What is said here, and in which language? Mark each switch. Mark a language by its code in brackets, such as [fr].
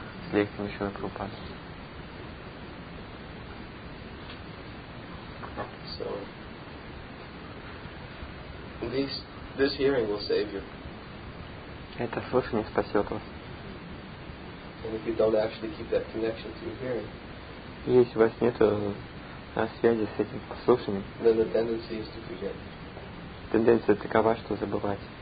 [ru] С лекциями Шрилы Прабхупады. [en] So this hearing will save you. [ru] Это слушание спасет вас. [en] And if you don't actually keep that connection to your hearing, [ru] если у вас нету связи с этим слушанием, [en] then the tendency is to forget. [ru] Тенденция такова, что забывать.